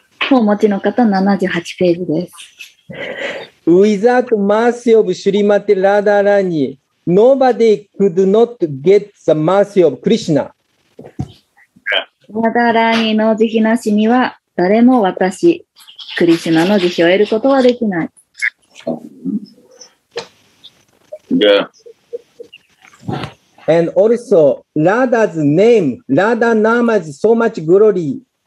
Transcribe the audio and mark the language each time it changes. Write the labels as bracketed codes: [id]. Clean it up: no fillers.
[ja] お持ちの方78ページです。 [en] Without mercy of Srimati Radharani, nobody could not get the mercy of Krishna. [ja] ラダラニの慈悲なしには誰も私、クリシュナの慈悲を得ることはできない。 [en] And also, Radha's name, Radha Nama is so much glory.